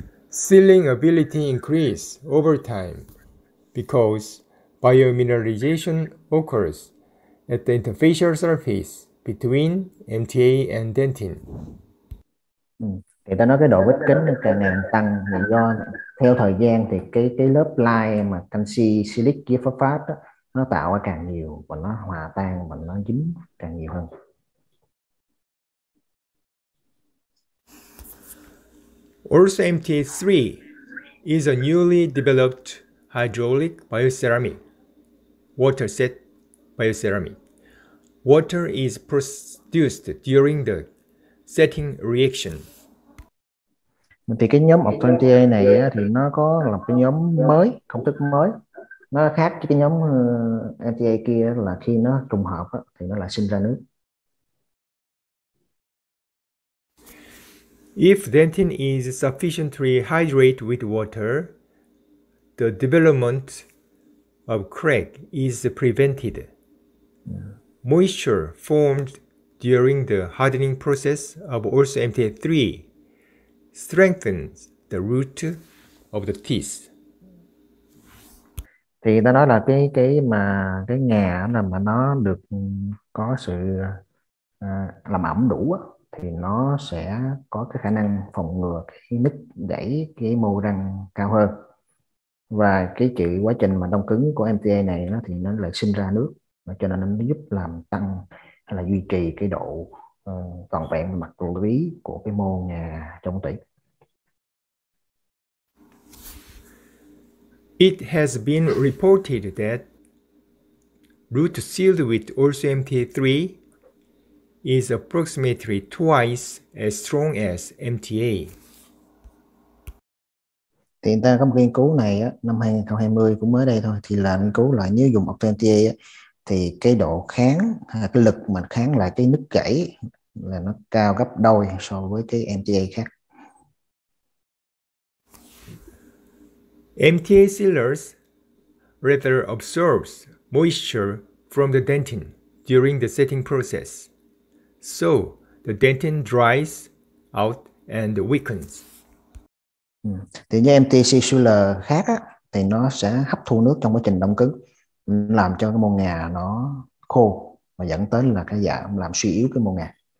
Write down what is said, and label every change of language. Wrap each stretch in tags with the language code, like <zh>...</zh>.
<en>Sealing ability increase over time because biomineralization occurs at the interfacial surface between MTA and dentin.</en> <vi>Thì ta nói cái độ vết kính càng ngày tăng là do theo thời gian thì cái lớp lai mà canxi silic với phosphat nó tạo ra càng nhiều và nó hòa tan và nó dính càng nhiều hơn.</vi> <en>Also MTA3 is a newly developed hydraulic bioceramic. Water set bioceramic. Water is produced during the setting reaction.</en> <vi>Thì cái nhóm Obturation này á, thì nó có là cái nhóm mới, công thức mới. Nó khác cái nhóm MTA kia là khi nó trùng hợp á, thì nó lại sinh ra nước.</vi> <en>If dentin is sufficiently hydrated with water, the development of crack is prevented. Moisture formed during the hardening process of also MTA3 strengthens the root of the teeth.</en> <vi>Thì ta nói là cái ngà là mà nó được có sự làm ẩm đủ thì nó sẽ có cái khả năng phòng ngừa cái nứt gãy cái mô răng cao hơn. Và cái chữ quá trình mà đông cứng của MTA này nó thì nó lại sinh ra nước, cho nên nó giúp làm tăng hay là duy trì cái độ toàn vẹn mặt lưới của cái mô ngà trong tủy.</vi> <en>It has been reported that root sealed with also MTA3 is approximately twice as strong as MTA.</en> <vi>Thì người ta có một nghiên cứu này á, năm 2020 cũng mới đây thôi, thì là nghiên cứu là nếu dùng MTA á, thì cái độ kháng, cái lực mà kháng lại cái nứt gãy là nó cao gấp đôi so với cái MTA khác.</vi> <en>MTA sealers rather absorbs moisture from the dentin during the setting process, so the dentin dries out and weakens.</en> <vi>Thì như MTC sealer khác á, thì nó sẽ hấp thu nước trong quá trình đông cứng, làm cho cái mô ngà nó khô và dẫn tới là cái dạ làm suy yếu cái mô ngà.</vi>